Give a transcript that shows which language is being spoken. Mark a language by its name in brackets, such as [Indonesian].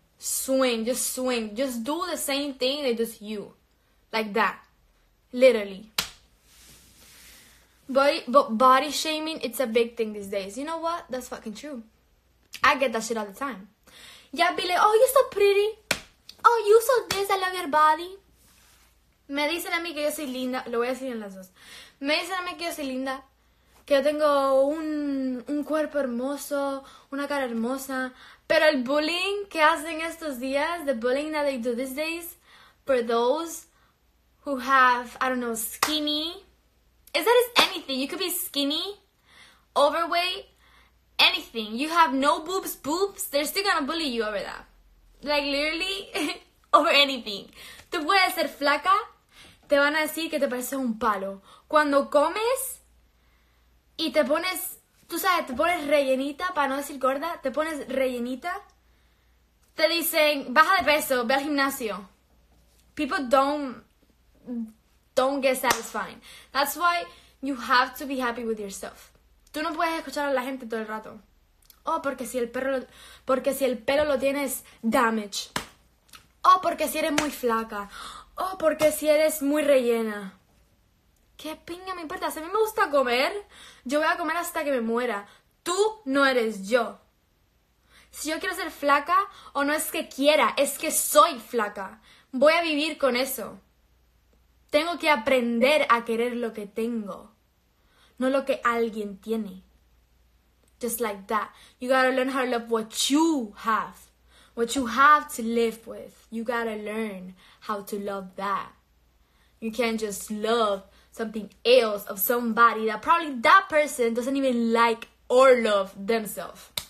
[English] Swing, just swing. Just do the same thing that just you. Like that. Literally. But body shaming, it's a big thing these days. You know what? That's fucking true. I get that shit all the time. Yeah, be like, oh, you're so pretty. Oh, you so this, I love your body. [Spanish] Me dicen a mí que yo soy linda. Lo voy a decir en las dos. Me dicen a mí que yo soy linda. Que yo tengo un cuerpo hermoso, una cara hermosa. [English] Pero el bullying que hacen estos días, the bullying that they do these days, for those who have, I don't know, skinny. Is that anything? You could be skinny, overweight, anything. You have no boobs, they're still gonna bully you over that. Like, literally, over anything. [Spanish] Tú puedes ser flaca, te van a decir que te pareces un palo. Cuando comes y te pones, tú sabes, te pones rellenita, para no decir gorda, te pones rellenita, te dicen, baja de peso, ve al gimnasio. [English] People don't get satisfied. That's why you have to be happy with yourself. [Spanish] Tú no puedes escuchar a la gente todo el rato. Oh, porque si el pelo lo tienes damaged. Oh, porque si eres muy flaca. Oh, porque si eres muy rellena. ¿Qué pinga me importa? Si a mí me gusta comer, yo voy a comer hasta que me muera. Tú no eres yo. Si yo quiero ser flaca, o no es que quiera, es que soy flaca. Voy a vivir con eso. Tengo que aprender a querer lo que tengo, no lo que alguien tiene. [English] Just like that. You gotta learn how to love what you have. What you have to live with. You gotta learn how to love that. You can't just love something else of somebody that probably that person doesn't even like or love themselves.